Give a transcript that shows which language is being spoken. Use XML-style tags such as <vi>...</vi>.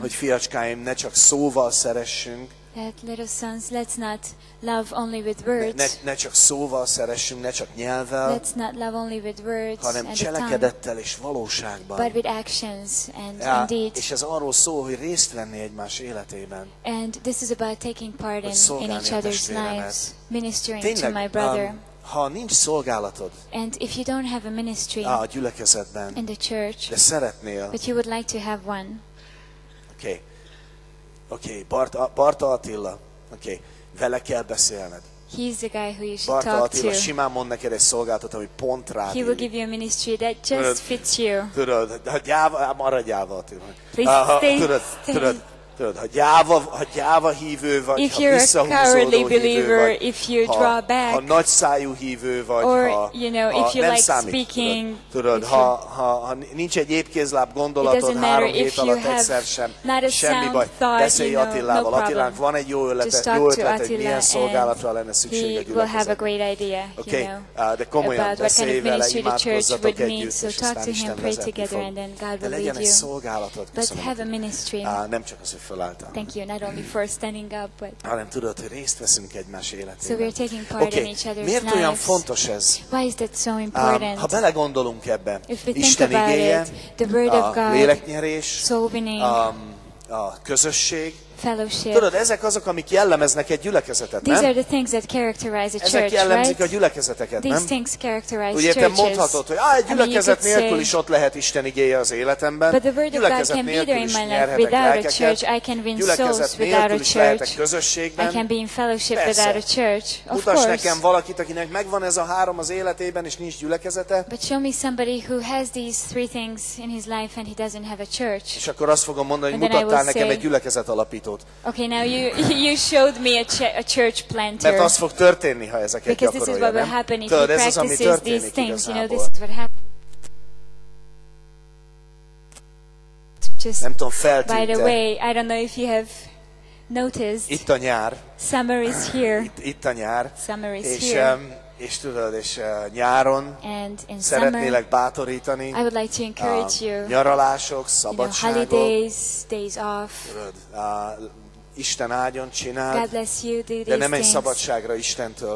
<hu>hogy fiacskáim, ne csak szóval szeressünk,</hu> <en>that little sons, let's not love only with words.</en> <hu>Ne csak szóval szeressünk, ne csak nyelvvel,</hu> <en>let's not love only with words,</en> <hu>hanem cselekedettel és valóságban.</hu> <en>But with actions and indeed.</en> <hu>És ez arról szól, hogy részt venni egymás életében.</hu> <en>And this is about taking part in each other's lives, ministering</en> <hu>tényleg,</hu> <en>to my brother.</en> <hu>Ha nincs szolgálatod,</hu> <en>and if you don't have a ministry,</en> <hu>a gyülekezetben,</hu> <en>in the church,</en> <hu>de szeretnél,</hu> <en>but you would like to have one.</en> <hu>Okay. Barta Attila. Okay. Vele kell beszélned.</hu> <en>He's the guy who you should</en> <hu>Barta</hu> <en>talk</en> <hu>Attila,</hu> <en>to.</en> <hu>Simán mond neked egy szolgálatot, ami pont rád</hu> <en>he</en> <hu>illik.</hu> <en>Will give you a ministry that just</en> <hu>tudod,</hu> <en>fits you.</en> <hu>Tudod, ha gyáva, maradj gyáva, Attila. Ha gyáva hívő vagy,</hu> <en>if</en> <hu>ha visszahúzódó hívő vagy,</hu> <en>if you draw back,</en> <hu>ha nagy szájú hívő vagy,</hu> <en>or,</en> <hu>ha,</hu> <en>you know,</en> <hu>ha</hu> <en>if you</en> <hu>nem</hu> <en>like</en> <hu>számít,</hu> <en>speaking,</en> <hu>tudod, ha nincs egy épkézláb gondolatod három hét alatt egyszer sem, semmi baj, beszélj Attilával, Attilánk van egy jó ötlet, hogy milyen szolgálatra lenne szükség a gyülekezetben. Oké, de komolyan beszélj vele, imádkozzatok együtt, és aztán Isten vezetni fog. De legyen egy szolgálatod, köszönöm. Nem csak az</hu> <en>thank you, not only for standing up, but.</en> <hu>Hanem tudod, hogy részt veszünk egymás életében.</hu> <en>So we're taking part okay. in each other's</en> <hu>miért</hu> <en>lives.</en> <hu>Olyan fontos ez?</hu> <en>Why is that so important?</en> <hu>Ha belegondolunk ebbe,</hu> <en>if we</en> <hu>Isten</hu> <en>think</en> <hu>igéje,</hu> <en>it, the word of God,</en> <hu>léleknyerés,</hu> <en>soul winning,</en> <hu>a közösség.</hu> <en>Fellowship.</en> <hu>Tudod, ezek azok, amik jellemeznek egy gyülekezetet,</hu> <en>these</en> <hu>nem?</hu> <en>Are the things that characterize a church,</en> <hu>ezek jellemzik</hu> <en>right?</en> <hu>a gyülekezeteket,</hu> <en>these</en> <hu>nem?</hu> <en>Things characterize</en> <hu>ugye, te</hu> <en>churches.</en> <hu>Mondhatod, hogy egy gyülekezet</hu> <en>I mean,</en> <hu>nélkül</hu> <en>say,</en> <hu>is ott lehet Isten igéje az életemben,</hu> <en>but the word</en> <hu>gyülekezet</hu> <en>of God</en> <hu>nélkül</hu> <en>can</en> <hu>is</hu> <en>my</en> <hu>nyerhetek</hu> <en>without</en> <hu>lelkeket,</hu> <en>a church, I can win</en> <hu>gyülekezet</hu> <en>souls</en> <hu>nélkül</hu> <en>without</en> <hu>is</hu> <en>a church.</en> <hu>Lehetek közösségben.</hu> <en>I can be in fellowship</en> <hu>persze.</hu> <en>without a church. Of</en> <hu>mutass</hu> <en>course.</en> <hu>Nekem valakit, akinek megvan ez a három az életében, és nincs gyülekezete.</hu> <en>But show me somebody who has these three things in his life and he doesn't have a church.</en> <hu>És akkor azt fogom mondani, hogy mutattál nekem egy gyülekezet alapítót.</hu> <en>Okay, now you showed me a church planter.</en> <hu>Mert az fog történni, ha ezeket</hu> <en>because</en> <hu>gyakorolja,</hu> <en>this is what will</en> <hu>nem?</hu> <en>happen if</en> <hu>tudod,</hu> <en>he practices</en> <hu>az,</hu> <en>these things.</en> <hu>Igazából.</hu> <en>You know, this is what happens.</en> <hu>Nem tudom, feltűnt-e.</hu> <en>By the way, I don't know if you have noticed.</en> <hu>Itt a nyár.</hu> <en>Summer is here.</en> <hu>Itt a nyár.</hu> <en>Summer is</en> <hu>és,</hu> <en>here.</en> <hu>És tudod, és nyáron szeretnélek</hu> <en>summer,</en> <hu>bátorítani.</hu> <en>I would like to encourage you.</en> <hu>Nyaralások, szabadságok.</hu> <en>You know, holidays, days off.</en> <hu>Tudod, Isten áldjon, csináld,</hu> <en>God bless you, do these</en> <hu>de ne menj szabadságra Istentől.</hu>